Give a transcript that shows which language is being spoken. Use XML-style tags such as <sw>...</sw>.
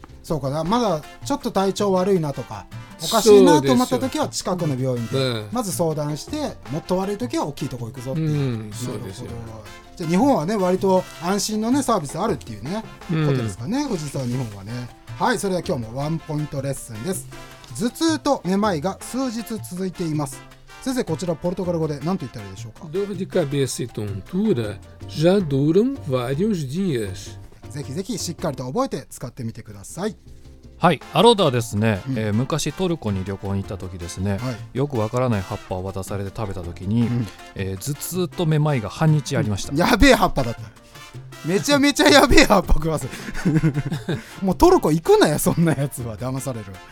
<ja>そうかな、まだちょっと体調悪いなとかおかしいなと思った時は近くの病院でまず相談して、もっと悪い時は大きいとこ行くぞって。そうですよ。じゃあ日本はね、割と安心のねサービスあるっていうね、ことですかね、藤沢日本はね。はい、それでは今日もワンポイントレッスンです。頭痛とめまいが数日続いています。先生、こちらポルトガル語で何と言ったらいいでしょうか。</ja> <pt>Dor de cabeça e tontura já duram vários dias。</pt> <ja>ぜひぜひしっかりと覚えて使ってみてください。はい、アロダはですね、昔トルコに旅行に行った時ですね、よくわからない葉っぱを渡されて食べた時に、頭痛とめまいが半日ありました。やべえ葉っぱだった。めちゃめちゃやべえ葉っぱ食わせもうトルコ行くなよそんなやつは、騙される。</ja>